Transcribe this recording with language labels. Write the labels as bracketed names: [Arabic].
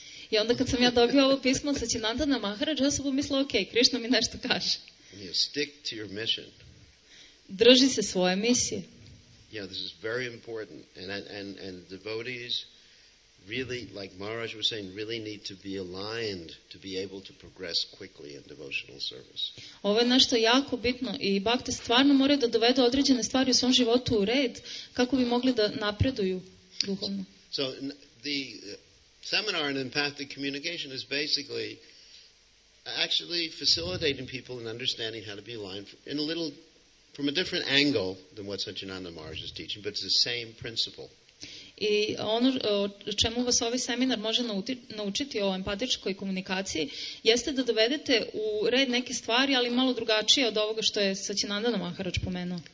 [Serbian] I onda kad sam ja dobio ovo pismo od Satchinandana Maharaja, ja sam pomislio, okay, Krishna mi nešto kaže. [English] You know, stick to your mission. [Serbian] Drži se svoje misije. [English] You know, this is very important, and devotees really, like Maharaj was saying, really need to be aligned to be able to progress quickly in devotional service. [Serbian] Ovo je nešto jako bitno i bhakte stvarno moraju da dovedu određene stvari u svom životu u red kako bi mogli da napreduju duhovno. [English] So the seminar on empathic communication is basically actually facilitating people in understanding how to be aligned in a little from a different angle than what Satchinanda Maharaj is teaching, but it's the same principle. [Serbian] I ono čemu vas ovaj seminar može naučiti o empatičkoj komunikaciji jeste da dovedete u red neke stvari, ali malo drugačije od ovoga što je Satchinandana Maharaj pomenuo.